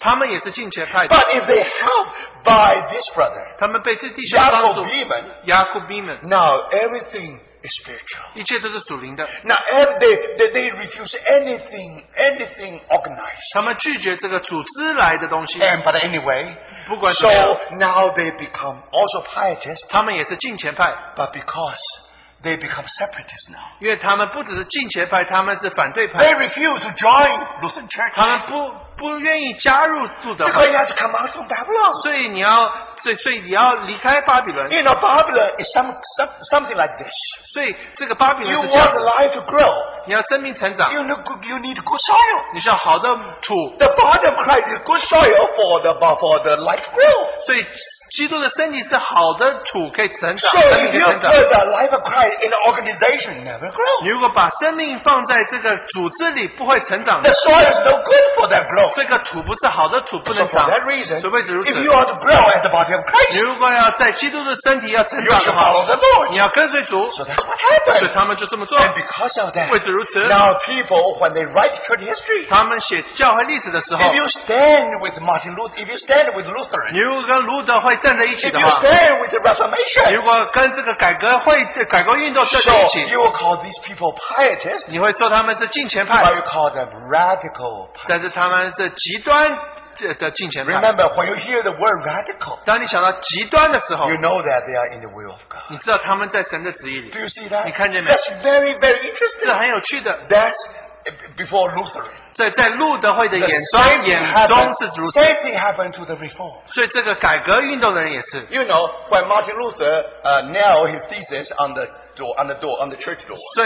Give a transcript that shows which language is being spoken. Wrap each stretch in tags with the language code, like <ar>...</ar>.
<zh>他们也是敬虔派的,</zh> <en>but if they help by this brother,</en> <zh>他们被这弟兄帮助,</zh> <en>Jacobiman, now everything is spiritual,</en> <zh>一切都是属灵的,</zh> <en>now they refuse anything organized,</en> <zh>他们拒绝这个组织来的东西,</zh> <en>and but anyway, so now they become also pietists.</en> <zh>他们也是敬虔派,</zh> <en>but because they become separatists now.</en> <zh>因为他们不只是敬虔派,</zh> <en>they refuse to join Lutheran Church.</en> <zh>他们不愿意加入住的,</zh> <en>because you have to come out from Babylon.</en> <zh>所以你要离开巴比伦.</zh> <en>You know, Babylon is something like this.</en> <zh>所以这个巴比伦是这样,</zh> <en>you want life to grow.</en> <zh>你要生命成长.</zh> <en>You need good soil.</en> <zh>你需要好的土.</zh> <en>The body of Christ is good soil for the life to grow.</en> <zh>所以基督的身体是好的土, 可以成长,</zh> <en>so if you put the life of Christ in an organization, never grow.</en> <zh>如果把生命放在这个组织里, 不会成长的,</zh> <en>the soil is no good for that growth.</en> <zh>这个土不是好的土, 不能长,</zh> <en>so for that reason,</en> <zh>除非只如此,</zh> <en>if you are to grow as the body of Christ,</en> <zh>如果要在基督的身体要成长的话,</zh> <en>you should follow the Lord.</en> <zh>你要跟随主,</zh> <en>so that's what happened.</en> <zh>所以他们就这么做,</zh> <en>and because of that,</en> <zh>不会只如此,</zh> <en>now people, when they write church history,</en> <zh>他们写教会历史的时候,</zh> <en>if you stand with Martin Luther, if you stand with Lutheran,</en> <zh>你如果跟路德,</zh> <en>if you stand with the Reformation,</en> <zh>如果跟这个改革会改革运动站在一起,</zh> <en>so you will call these people pietists,</en> <zh>你会说他们是敬虔派,</zh> <en>but you call them radical pietists,</en> <zh>但是他们是极端的敬虔派.</zh> <en>Remember, when you hear the word radical,</en> <zh>当你想到极端的时候,</zh> <en>you know that they are in the will of God.</en> <zh>你知道他们在神的旨意里.</zh> <en>Do you see that?</en> <zh>你看见没?</zh> <en>That's very, very interesting.</en> <zh>这很有趣的.</zh> <en>That's before Lutheran.</en> <zh>在路德会的眼中是如此,</zh> <en>same thing happened to the reform.</en> <zh>所以这个改革运动的人也是,</zh> <en>you know, when Martin Luther nailed his thesis on the door, on the door, on the church door.</en>